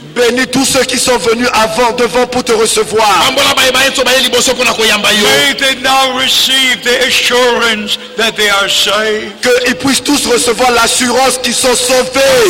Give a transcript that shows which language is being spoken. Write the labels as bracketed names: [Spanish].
[French] Bénis tous ceux qui sont venus avant, devant pour te recevoir. [English] May they now receive the assurance that they are saved. [French] Que ils puissent tous recevoir l'assurance qu'ils sont sauvés.